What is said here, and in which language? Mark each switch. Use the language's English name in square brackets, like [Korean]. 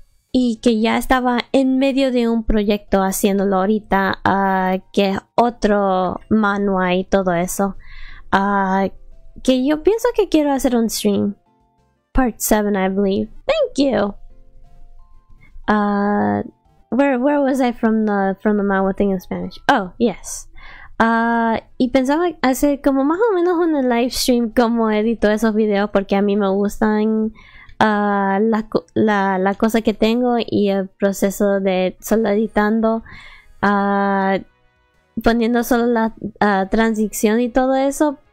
[Spanish] y que ya estaba en medio de un proyecto haciéndolo ahorita, que es otro manhwa y todo eso, que yo pienso que quiero hacer un stream [English] Part 7, I believe. Thank you! Where was I from the manhwa thing in Spanish? Oh, yes. [Spanish] Y pensaba hacer como más o menos un live stream como edito esos videos porque a mí me gustan la cosa que tengo y el proceso de solo editando, poniendo solo la transición y todo eso.